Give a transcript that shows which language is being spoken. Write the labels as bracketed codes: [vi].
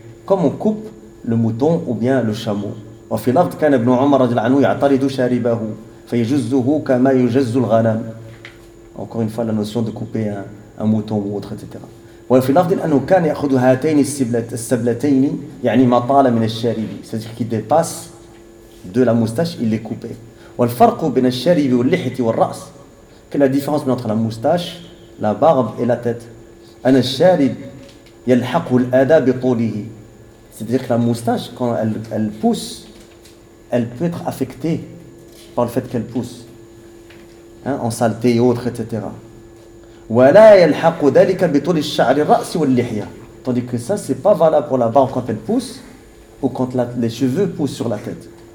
[fr] Comme on coupe le mouton ou bien le chameau. [ar] وفي الأرض كان ابن عمر رضي الله عنه يعترض شاربه فيجزه كما يجز الغنم. [fr] Encore une fois la notion de couper un mouton ou autre, etc. [ar] وفي الأرض أنه كان يأخذ هاتين السبلتين يعني ما طال من الشارب. [fr] C'est-à-dire qu'il dépasse de la moustache, il les coupait. [ar] والفرق بين الشارب واللحية والرأس. [fr] Quelle est la différence entre la moustache, la barbe et la tête? [ar] أن الشارب يلحق الأذى بطوله. [fr] C'est-à-dire que la moustache, quand elle pousse, elle peut être affectée par le fait qu'elle pousse, hein, en saleté et autres, etc. [ar] وَلَا يَلْحَقُ ذَلِكَ بِطُولِ الشَّعْرِ الرَّأْسِ وَالْلِّحْيَةِ. [fr] Tandis que ça, ce n'est pas valable pour la barbe quand elle pousse ou quand les cheveux poussent sur la tête.